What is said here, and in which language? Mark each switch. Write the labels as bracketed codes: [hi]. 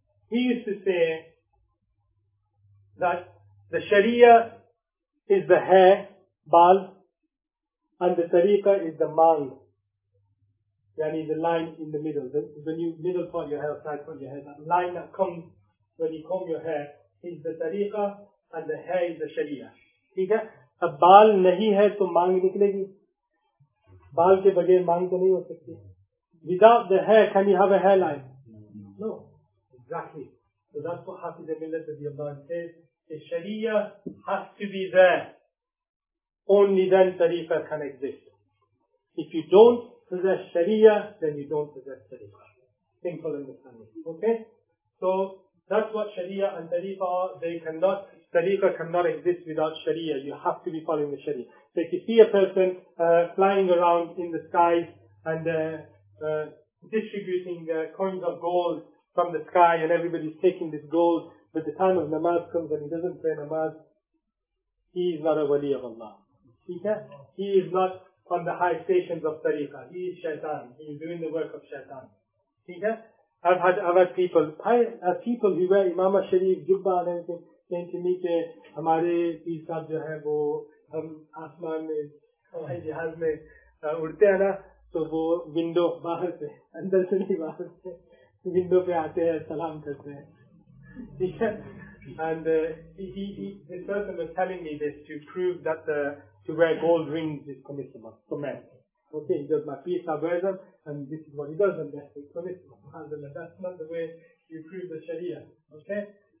[en] He used to say that the Sharia is the hair, bal, and the tariqah is the mang. That is the line in the middle. The new middle part of your hair, side part of your hair. That line that comes when you comb your hair is the tariqah and the hair is the sharia. [ur] ٹھیک ہے؟ اے بال نہیں ہے تو مانگ نکلے گی۔ بال کے بغیر مانگ تو نہیں ہو سکتی۔ [en] Without the hair, can you have a hairline? No. Exactly. So that's what Hafiz al-Millat of the Imam says. The sharia has to be there. Only then tariqah can exist. If you don't possess Sharia, then you don't possess Tariqah. Simple understanding. Okay? So, that's what Sharia and Tariqah are. Tariqah cannot exist without Sharia. You have to be following the Sharia. So if you see a person flying around in the sky and distributing coins of gold from the sky and everybody's taking this gold, but the time of Namaz comes and he doesn't pray Namaz, he is not a Wali of Allah. He is not on the high stations of tariqah. He is shaitan. He is doing the work of shaitan. See that? I've had people who wear imamah sharif, jubba and everything, saying to me that [ur] ہمارے پیر صاحب جو ہے وہ ہم آسمان میں ہوائی جہاز میں اڑتے ہے نا، تو وہ window باہر سے اندر سے نہیں باہر سے window پے آتے ہے سلام کرتے ہے۔ [en] See that? And he the person was telling me this to prove that the to wear gold rings is permissible for men. Okay, he does my pizza version, and this is what he does, and that's permissible. That's not the way you prove the Sharia. Okay?